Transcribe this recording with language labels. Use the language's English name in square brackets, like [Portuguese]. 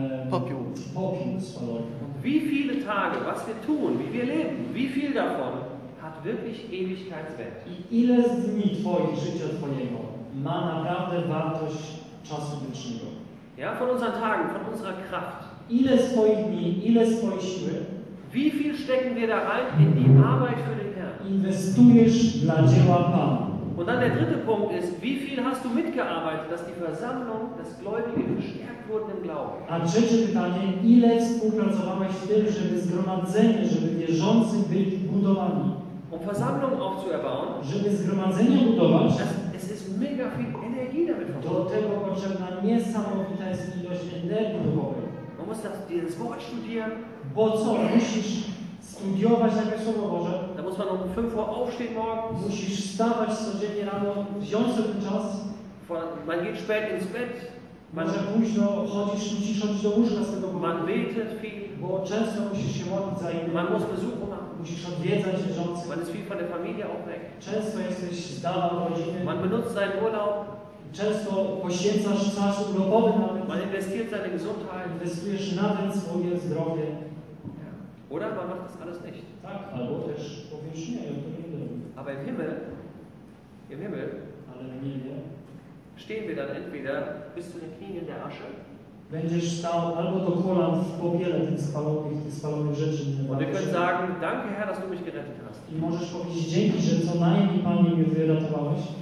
[Polish] popiół. Popiół spalony. [German] Wie viele Tage, was wir tun, wie wir leben, wie viel davon hat wirklich Ewigkeitswert? [Polish] I ile z dni twoich, życia twojego, ma naprawdę wartość czasu wiecznego? [German] Ja, von unseren Tagen, von unserer Kraft. [Polish] Ile swoich dni, ile swojej siły? [German] Wie viel stecken wir da rein in die Arbeit für den Herrn? [Polish] Inwestujesz dla dzieła Pana. [German] Und dann der dritte Punkt ist, wie viel hast du mitgearbeitet, dass die Versammlung des Gläubigen gestärkt wurden im Glauben? [Polish] A trzecie pytanie, ile współpracowałeś w tym, żeby zgromadzenie, żeby wierzący byli budowani? [German] Um Versammlung aufzuerbauen? [Polish] Żeby zgromadzenie budować? [German] Es ist mega viel Energie damit verbunden. [Polish] Do tego potrzebna niesamowita jest ilość energii duchowej. [German] Man muss das, dieses Wort studieren. [Polish] Bo co, musisz studiować jakieś Słowo Boże? [German] Da muss man um 5 Uhr aufstehen morgens. [Polish] Musisz wstawać codziennie rano, wziąć sobie ten czas. [German] Man geht spät ins Bett. [Polish] Może późno chodzisz, musisz chodzić do łóżka z tego powodu. [German] Man betet viel. [Polish] Bo często musisz się modlić za innych. [German] Man muss Besuch machen. [Polish] Musisz odwiedzać wierzących. [German] Man ist viel von der Familie auch weg. [Polish] Często jesteś z dala od rodziny. [German] Man benutzt seinen Urlaub. [Polish] Często poświęcasz czas urlopowy nawet. [German] Man investiert seine Gesundheit. [Polish] Inwestujesz nawet swoje zdrowie. [German] Oder man macht das alles nicht. [Polish] Tak, albo też powiesz nie, ja to nie robię. [German] Aber im Himmel, [Polish] ale na niebie, [German] stehen wir dann entweder bis zu den Knien in der Asche. [Polish] Będziesz stał albo do kolan w popiele tych spalonych rzeczy. [German] Und wir können sagen, danke Herr, dass du mich gerettet hast. [Polish] I możesz powiedzieć dzięki, że co najmniej Panie mnie wyratowałeś.